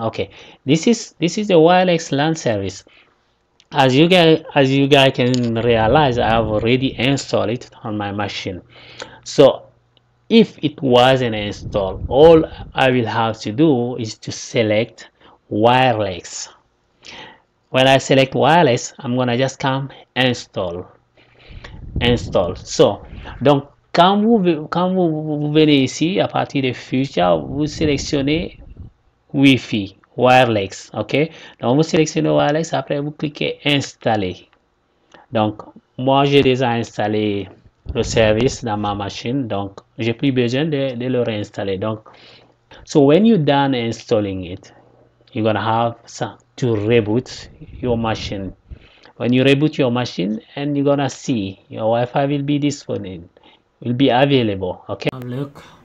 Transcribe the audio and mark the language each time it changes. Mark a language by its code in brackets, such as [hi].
[en] Okay, this is the wireless LAN service. As you guys can realize, I have already installed it on my machine. So if it wasn't installed, all I will have to do is to select wireless. When I select wireless, I'm gonna just come install. [fr] So donc quand vous venez ici, à partir de future, vous sélectionnez Wi-Fi wireless. Ok, donc vous sélectionnez wireless, après vous cliquez installer. Donc moi j'ai déjà installé le service dans ma machine, donc j'ai plus besoin de le réinstaller. [en] Donc, so when you're done installing it, you're gonna have to reboot your machine. When you reboot your machine, and you're gonna see your Wi-Fi will be disponible, will be available. Okay. Look.